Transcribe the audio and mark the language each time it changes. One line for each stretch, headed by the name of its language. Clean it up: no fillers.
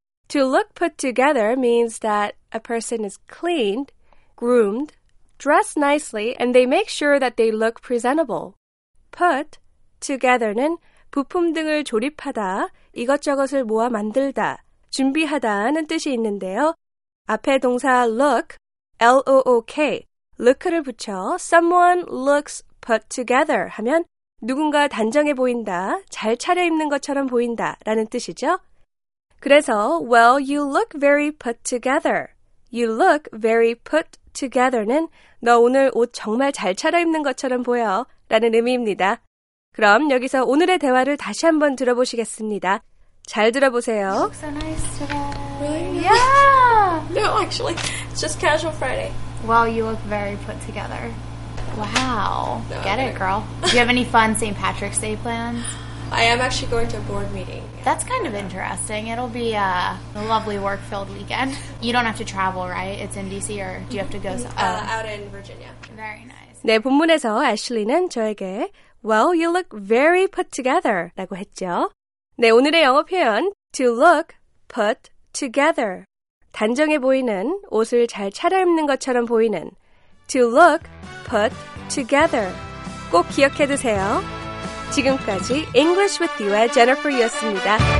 English: To look put together means that a person is cleaned, groomed, dressed nicely, and they make sure that they look presentable.
Korean: Put together는 부품 등을 조립하다, 이것저것을 모아 만들다, 준비하다는 뜻이 있는데요. 앞에 동사 look, L-O-O-K, look를 붙여
English: someone looks put together
Korean: 하면 누군가 단정해 보인다, 잘 차려입는 것처럼 보인다 라는 뜻이죠. 그래서
English: Well, you look very put together. You look very put together
Korean: 는 너 오늘 옷 정말 잘 차려입는 것처럼 보여 라는 의미입니다. 그럼 여기서 오늘의 대화를 다시 한번 들어보시겠습니다. 잘 들어보세요.
English: You look so nice today. Really? Yeah! No, actually, it's just casual Friday. Well, you look very put together. Wow. No, get it, girl. Do you have any fun St. Patrick's Day plans? I am actually going to a board meeting. That's kind of interesting. It'll be a lovely work-filled weekend. You don't have to travel, right? It's in D.C. or do you have to go somewhere? Out in Virginia. Very nice.
Korean: 네, 본문에서 애슐리는 저에게
English: Well, you look very put together
Korean: 라고 했죠. 네, 오늘의 영어 표현
English: To look put together.
Korean: 단정해 보이는, 옷을 잘 차려입는 것처럼 보이는
English: To look put together.
Korean: 꼭 기억해 두세요. 지금까지
English: English with You
Korean: 의 Jennifer 였습니다.